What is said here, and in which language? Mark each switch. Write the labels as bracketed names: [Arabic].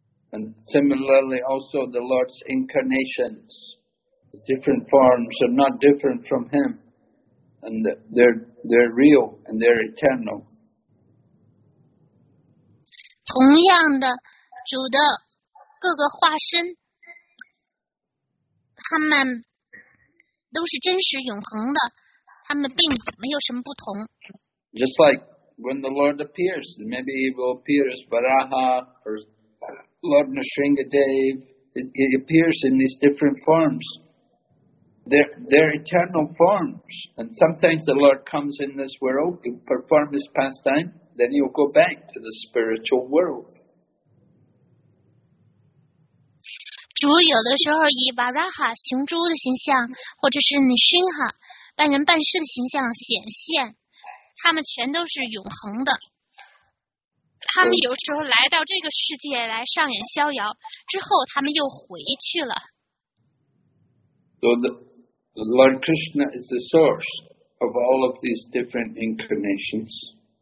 [English] And similarly, also the Lord's incarnations, different forms are not different from Him, and they're real and they're eternal. [Chinese] 同样的，主的各个化身，他们都是真实永恒的，他们并没有什么不同。 [English] Just like when the Lord appears, maybe He will appear as Varaha or Lord Nrisimhadev. He appears in these different forms. They're eternal forms. And sometimes the Lord comes in this world to perform His pastime. Then He will go back to the spiritual world. [Chinese] 主有的时候以 Varaha 行猪的形象，或者是 Nrisimha 半人半狮的形象显现，他们全都是永恒的。他们有时候来到这个世界来上演逍遥，之后他们又回去了。 [English] So the Lord Krishna is the source of all of these different incarnations.